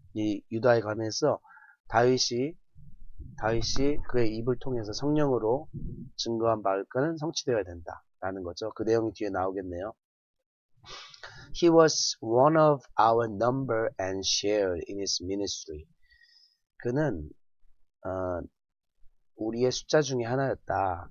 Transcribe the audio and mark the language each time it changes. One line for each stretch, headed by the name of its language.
Korean: 이 유다에 관해서 다윗이 그의 입을 통해서 성령으로 증거한 바는 성취되어야 된다라는 거죠. 그 내용이 뒤에 나오겠네요.
English: He was one of our number and share in his ministry.
Korean: 그는 우리의 숫자 중에 하나였다.